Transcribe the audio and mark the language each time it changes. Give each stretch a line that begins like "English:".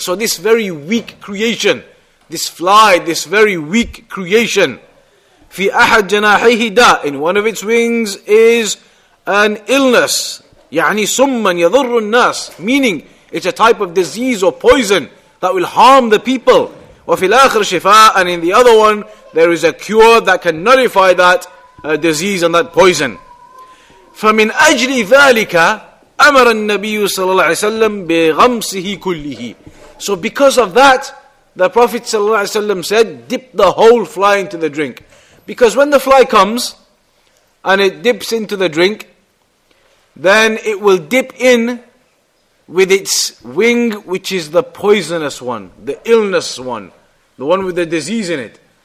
English: So this very weak creation, this fly, this very weak creation,
Arabic: في أحد جناحيه داء,
English: in one of its wings is an illness,
Arabic: يعني سُمَّن يَضُرُّ النَّاسِ,
English: meaning it's a type of disease or poison that will harm the people.
Arabic: وفي الآخر شفاء,
English: and in the other one there is a cure that can nullify that disease and that poison.
Arabic: فمن أجل ذلك أمر النبي صلى الله عليه وسلم بغمسه كله.
English: So because of that, the Prophet ﷺ said, dip the whole fly into the drink. Because when the fly comes, and it dips into the drink, then it will dip in with its wing, which is the poisonous one, the illness one, the one with the disease in it.